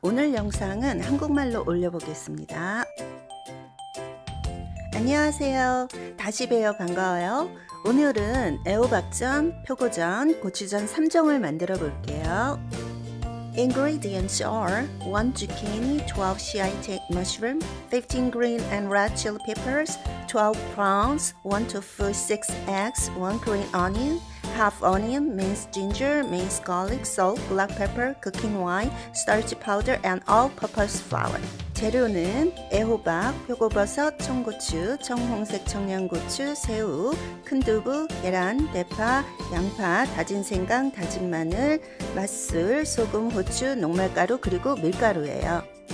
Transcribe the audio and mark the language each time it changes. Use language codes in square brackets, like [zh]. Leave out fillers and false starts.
[ko] 오늘 영상은 한국말로 올려보겠습니다. 안녕하세요. 다시 뵈요. 반가워요. 오늘은 애호박전, 표고전, 고추전 3종을 만들어 볼게요. [en] Ingredients are 1 zucchini, 12 shiitake mushroom, 15 green and red chili peppers, 12 prawns, 1 tofu, 6 eggs, 1 green onion, half onion, minced ginger, minced garlic, salt, black pepper, cooking wine, starch powder, and all-purpose flour. [ko] 재료는 애호박, 표고버섯, 청고추, 청홍색 청양고추, 새우, 큰두부, 계란, 대파, 양파, 다진 생강, 다진 마늘, 맛술, 소금, 후추, 녹말가루, 그리고 밀가루예요.